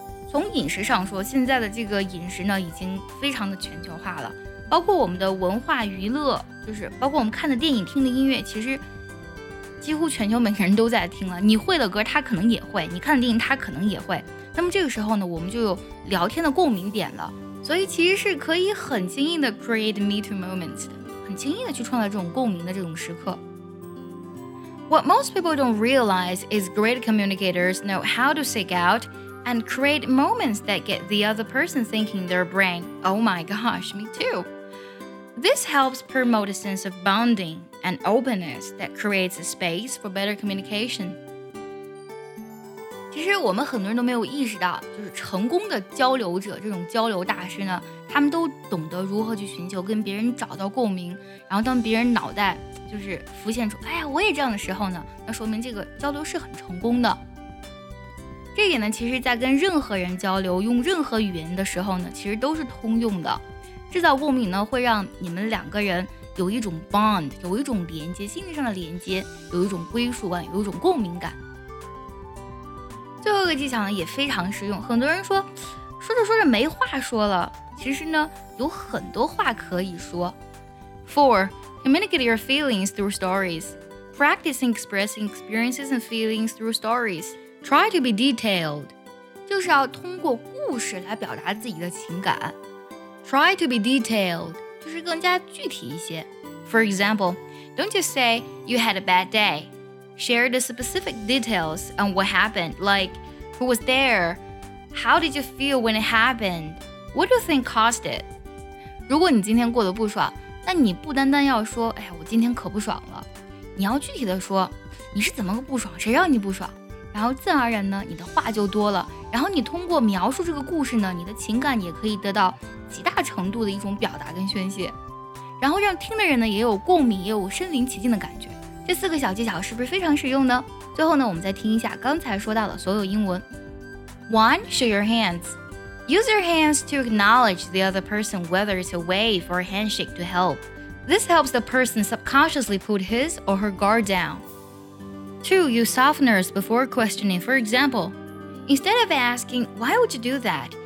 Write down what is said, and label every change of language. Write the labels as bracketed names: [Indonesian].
[Chinese] 从饮食上说，现在的这个饮食呢已经非常的全球化了，包括我们的文化娱乐，就是包括我们看的电影、听的音乐，其实几乎全球每个人都在听了，你会的歌他可能也会，你看的电影他可能也会。那么这个时候呢我们就有聊天的共鸣点了，所以其实是可以很轻易的 [English] create me too moments， [Chinese] 很轻易的去创造这种共鸣的这种时刻。 [English] What most people don't realize is great communicators know how to seek out and create moments that get the other person thinking in their brain, oh my gosh, me too. This helps promote a sense of bonding and openness that creates a space for better communication. [Chinese] 其实我们很多人都没有意识到，就是成功的交流者，这种交流大师呢，他们都懂得如何去寻求跟别人找到共鸣，然后当别人脑袋就是浮现出哎呀我也这样的时候呢，那说明这个交流是很成功的。这点呢其实在跟任何人交流用任何语言的时候呢其实都是通用的。制造共鸣呢会让你们两个人有一种 bond， 有一种连接，心理上的连接，有一种归属感，有一种共鸣感。最后一个技巧呢也非常实用，很多人说着说着没话说了，其实呢有很多话可以说。 [English] 4. Communicate your feelings through stories. Practice expressing experiences and feelings through stories. Try to be detailed. [Chinese] 就是要通过故事来表达自己的情感。 [English] Try to be detailed. [Chinese] 就是更加具体一些。 [English] For example, don't just say you had a bad day. Share the specific details on what happened, like who was there, how did you feel when it happened, what do you think caused it? [Chinese] 如果你今天过得不爽，那你不单单要说哎呀我今天可不爽了，你要具体的说你是怎么个不爽，谁让你不爽，然后自然而然呢你的话就多了，然后你通过描述这个故事呢你的情感也可以得到极大程度的一种表达跟宣泄，然后让听的人呢也有共鸣，也有身临其境的感觉。这四个小技巧是不是非常实用呢？最后呢，我们再听一下刚才说到的所有英文。 [English] One, show your hands. Use your hands to acknowledge the other person, whether it's a wave or a handshake to help. This helps the person subconsciously put his or her guard down. Two, use softeners before questioning. For example, instead of asking, why would you do that?